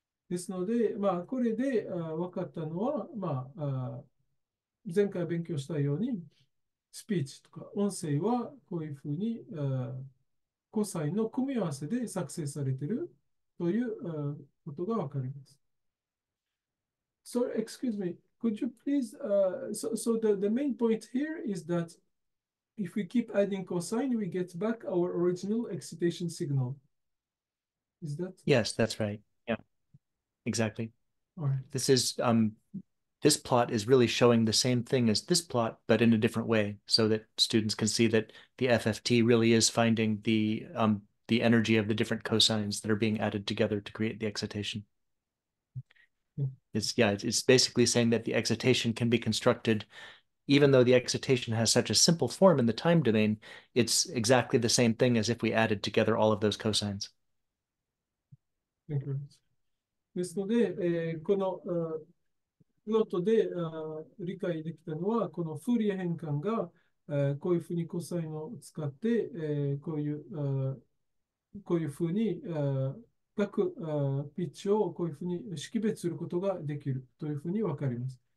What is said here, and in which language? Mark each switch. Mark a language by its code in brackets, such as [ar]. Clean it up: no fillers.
[ja] ですので、まあ、これで分かったのは、まあ、前回勉強したように、スピーチとか音声は、こういうふうに、コサインの組み合わせで作成されているということがわかります。 [en] Sorry, excuse me, could you please, the main point here is that if we keep adding cosine, we get back our original excitation signal. Is that? Yes, that's right. Yeah, exactly. This plot is really showing the same thing as this plot, but in a different way, so that students can see that the FFT really is finding the energy of the different cosines that are being added together to create the excitation. It's basically saying that the excitation can be constructed, even though the excitation has such a simple form in the time domain, it's exactly the same thing as if we added together all of those cosines. Thank you. [ja] ですので、このプロットで理解できたのは、このフーリエ変換が、こういうふうにコサインを使って、こういうふうに各ピッチをこういうふうに識別することができるというふうにわかります。